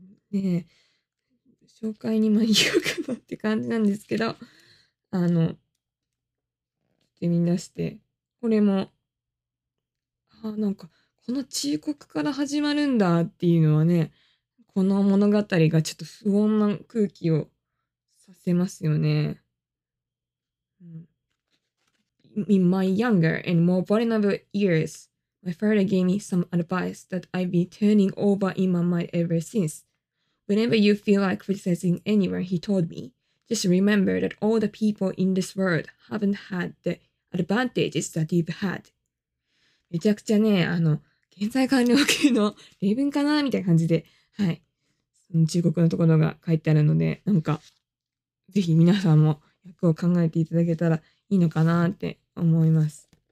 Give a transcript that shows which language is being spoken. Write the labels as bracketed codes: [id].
[ja] で、紹介に間に合うかなって感じなんですけど、見出して、これも、あ、なんかこの遅刻から始まるんだっていうのはね、この物語がちょっと不穏な空気をさせますよね。 [en] In my younger and more vulnerable years, my father gave me some advice that I've been turning over in my mind ever since. Whenever you feel like criticizing anyone, he told me, just remember that all the people in this world haven't had the advantages that you've had. [ja] めちゃくちゃね、現在完了形の例文かなみたいな感じで、はい、中国のところが書いてあるので、なんか、ぜひ皆さんも役を考えていただけたらいいのかなって思います。